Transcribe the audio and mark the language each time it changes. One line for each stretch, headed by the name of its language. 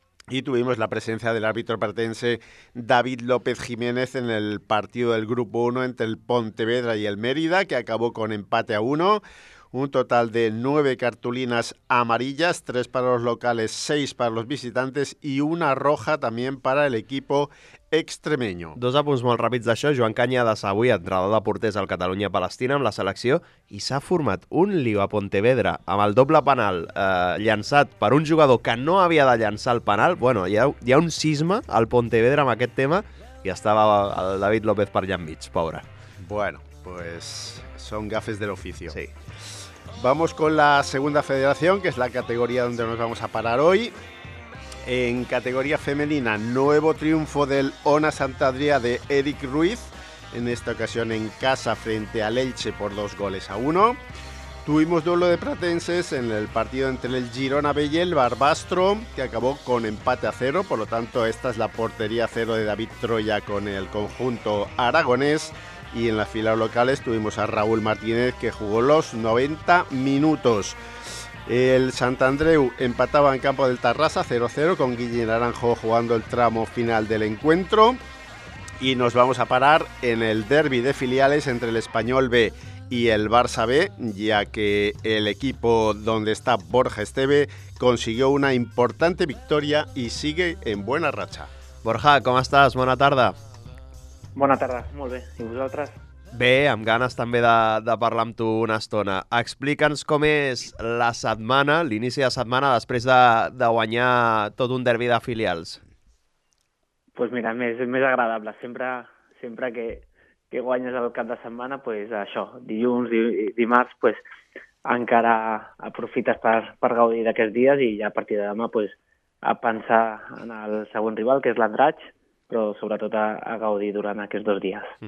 Spanish: Y tuvimos la presencia del árbitro platense David López Jiménez en el partido del Grupo 1 entre el Pontevedra y el Mérida, que acabó con empate a 1. Un total de 9 cartulinas amarillas, 3 para los locales, 6 para los visitantes y una roja también para el equipo extremeño.
Catalan: Dos apunts molt ràpids d'això. Joan Cañadas avui, entrenador de porters al Catalunya-Palestina amb la selecció, i s'ha format un lío a Pontevedra amb el doble penal llançat per un jugador que no havia de llançar el penal. Bueno, hi ha un cisma al Pontevedra amb aquest tema i estava el David López per allà enmig, pobre.
Spanish: Bueno, pues son gafes del oficio. Sí. Vamos con la segunda federación, que es la categoría donde nos vamos a parar hoy. En categoría femenina, nuevo triunfo del Ona Sant Adrià de Eric Ruiz, en esta ocasión en casa frente al Elche por 2-1. Tuvimos duelo de pratenses en el partido entre el Girona B y el Barbastro, que acabó con empate a cero, por lo tanto esta es la portería cero de David Troya con el conjunto aragonés. Y en las filas locales tuvimos a Raúl Martínez, que jugó los 90 minutos. El Sant Andreu empataba en campo del Tarrasa 0-0 con Guille Naranjo jugando el tramo final del encuentro. Y nos vamos a parar en el derbi de filiales entre el Español B y el Barça B, ya que el equipo donde está Borja Esteve consiguió una importante victoria y sigue en buena racha. Borja, ¿cómo estás? Buena tarde.
Catalan: Bona tarda, molt bé. I vosaltres? Bé, amb ganes també de parlar amb tu una estona. Explica'ns com és la setmana, l'inici de setmana, després de guanyar tot un derbi de filials.
Spanish: Pues mira,
Catalan: més agradable. Sempre que guanyes el cap de setmana, pues això, dilluns, dimarts, pues encara aprofites per gaudir d'aquests dies i ja a partir de demà pues, a pensar en el següent rival, que és l'Andratx, però sobretot a gaudir durant aquests dos dies.